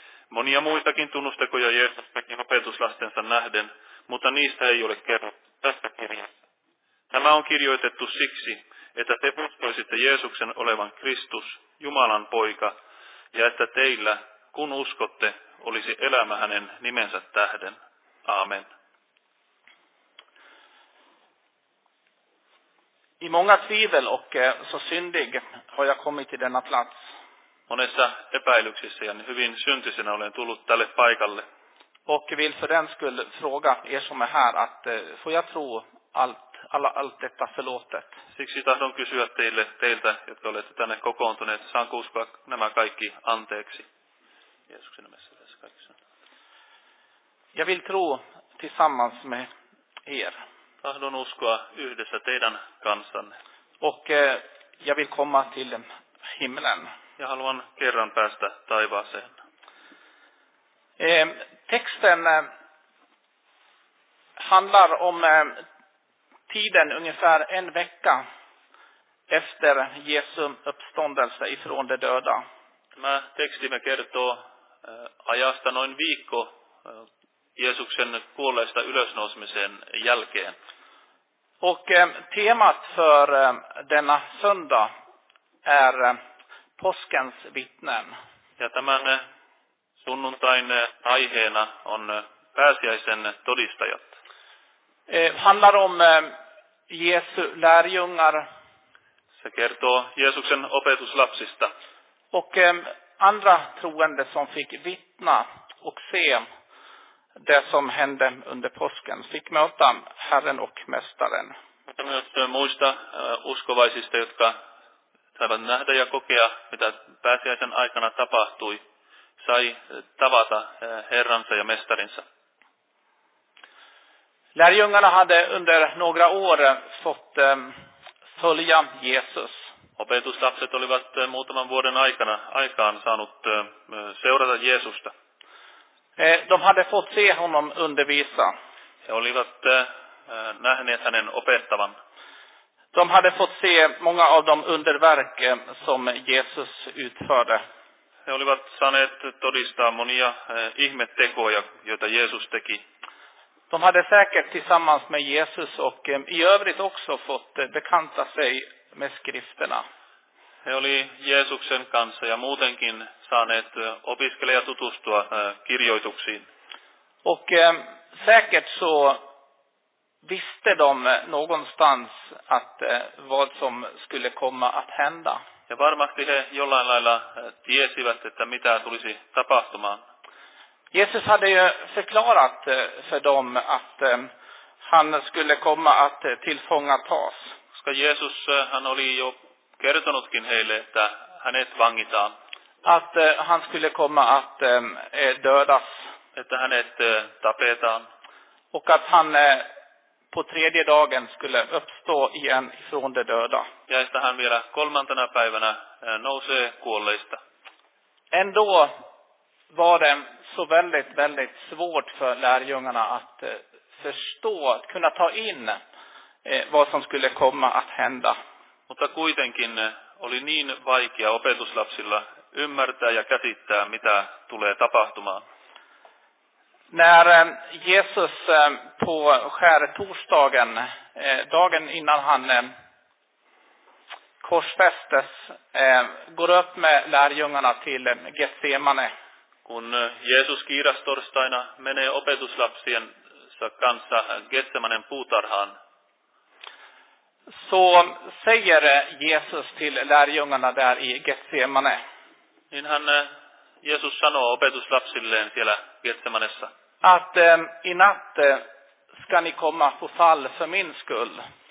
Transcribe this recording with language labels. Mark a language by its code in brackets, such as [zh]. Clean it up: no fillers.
[fi] Monia muitakin tunnustekoja Jeesus teki opetuslastensa nähden, mutta niistä ei ole kerrottu tässä kirjassa. Tämä on kirjoitettu siksi, että te uskoisitte Jeesuksen olevan Kristus, Jumalan poika, ja että teillä, kun uskotte, olisi elämä hänen nimensä tähden. Aamen. [sv] I många tvivel och så syndig har jag kommit till denna plats. [fi] Monessa epäilyksissä ja hyvin syntisenä olen tullut tälle paikalle. [sv] Och vill för den skull fråga er som är här att får jag tro allt detta förlåtet? [fi] Siksi tahdon kysyä teiltä, jotka olette tänne kokoontuneet, saanko uskoa nämä kaikki anteeksi? Jeesuksen nimessä tässä kaikessa. [sv] Jag vill tro tillsammans med er. [fi] Tahdon uskoa yhdessä teidän kanssanne. [sv] Och jag vill komma till himlen. [fi] Jag haluan kerran päästä taivaaseen. [sv] Texten handlar om tiden ungefär en vecka efter Jesu uppståndelse ifrån de döda. [fi] Tämä tekstimme kertoo ajasta noin viikko Jeesuksen kuolleesta ylösnousemisen jälkeen. [sv] Och temat för denna söndag är påskens vittnen. [fi] Ja tämän sunnuntain aiheena on pääsiäisen todistajat. [sv] Handlar om Jesu lärjungar. [fi] Se kertoo Jeesuksen opetuslapsista. [sv] Och andra troende som fick vittna och se det som hände under påsken, fick möta Herren och mästaren. [fi] Mutta myös muista uskovaisista, jotka saivat nähdä ja kokea, mitä pääsiäisen aikana tapahtui, sai tavata Herransa ja mestarinsa. [sv] Lärjungarna hade under några år fått följa Jesus. [fi] Opetuslapset olivat muutaman vuoden aikaan saanut seurata Jeesusta. [sv] De hade fått se honom undervisa. [fi] He olivat nähneet hänen opettavan. [sv] De hade fått se många av de underverk som Jesus utförde. [fi] He olivat saaneet todistaa monia ihmettekoja, joita Jeesus teki. [sv] De hade säkert tillsammans med Jesus och i övrigt också fått bekanta sig med skrifterna. [fi] He oli Jeesuksen kanssa ja muutenkin saaneet opiskella ja tutustua kirjoituksiin. [sv] Och säkert så visste de någonstans att vad som skulle komma att hända. [fi] Ja varmasti he jollain lailla tiesivät, että mitä tulisi tapahtumaan. [sv] Jesus hade ju förklarat för dem att han skulle komma att tillfångatas. [fi] Koska Jeesus, hän oli jo kertonutkin heille, että hänet vangitaan. [sv] Att han skulle komma att dödas. [fi] Että hänet tapetaan. [sv] Och att han på tredje dagen skulle uppstå igen från de döda. [fi] Ja, että hän vielä kolmantena päivänä nousee kuolleista. [sv] Ändå var det så väldigt, väldigt svårt för lärjungarna att förstå, att kunna ta in vad som skulle komma att hända. [fi] Mutta kuitenkin oli niin vaikea opetuslapsilla ymmärtää ja käsittää, mitä tulee tapahtumaan. [sv] När Jesus på skärtorsdagen, dagen innan han korsfästes, går upp med lärjungarna till Getsemane. [fi] Kun Jeesus kiirastorstaina menee opetuslapsiensa kanssa Getsemanen puutarhaan. [sv] Så säger Jesus till lärjungarna där i Getsemane. [fi] Niin hän Jeesus sanoo opetuslapsilleen siellä Getsemanessa. [sv] Att i natt ska ni komma på fall för min skull.